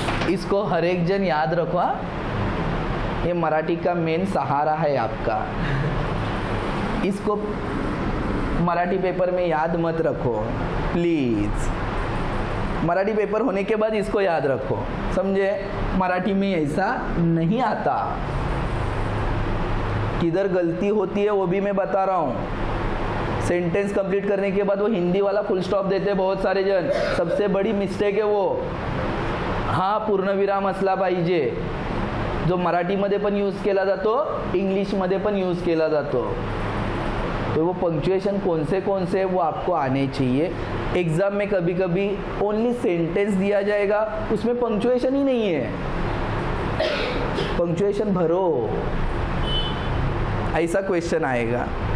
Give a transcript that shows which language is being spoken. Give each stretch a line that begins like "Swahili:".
Hindi: इसको हर एक जन याद रखो, ये मराठी का मेन सहारा है आपका, इसको मराठी पेपर में याद मत रखो प्लीज, मराठी पेपर होने के बाद इसको याद रखो, समझे? मराठी में ऐसा नहीं आता, किधर गलती होती है वो भी मैं बता रहा हूँ। सेंटेंस कंप्लीट करने के बाद वो हिंदी वाला फुल स्टॉप देते हैं बहुत सारे जन, सबसे बड़ी मिस्टेक है वो।
Marathi: हाँ पूर्ण विराम असला पाहिजे, जो मराठी मध्ये पण यूज केला जातो इंग्लिश मध्ये पण यूज केला जातो।
Hindi: तो वो पंक्चुएशन कौन से वो आपको आने चाहिए। एग्जाम में कभी कभी ओनली सेंटेंस दिया जाएगा उसमें पंक्चुएशन ही नहीं है, पंक्चुएशन भरो ऐसा क्वेश्चन आएगा।